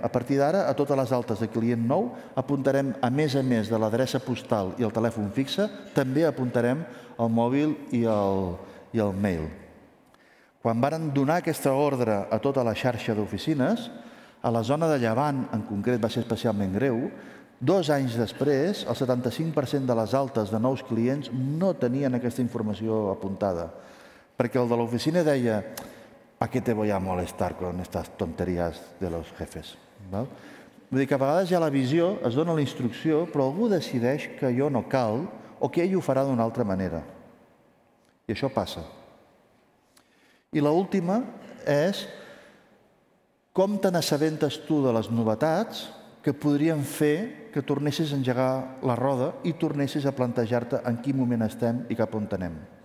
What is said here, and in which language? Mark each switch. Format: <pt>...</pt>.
<ca>A partir d'ara, a totes les altes de client nou, apuntarem, a més de l'adreça postal i el telèfon fixe, també apuntarem el mòbil i el mail. Quan varen donar aquesta ordre a tota la xarxa d'oficines, a la zona de Llevant, en concret, va ser especialment greu. 2 anys després, el 75% de les altes de nous clients no tenien aquesta informació apuntada. Perquè el de l'oficina deia,</ca> <es>¿a qué te voy a molestar con estas tonterías de los jefes?</es> <ca>Val? Vull dir que a vegades hi ha la visió, es dona la instrucció, però algú decideix que allò no cal o que ell ho farà d'una altra manera. I això passa. I l'última és, com te n'assabentes tu de les novetats que podrien fer que tornessis a engegar la roda i tornessis a plantejar-te en quin moment estem i cap on anem?</ca>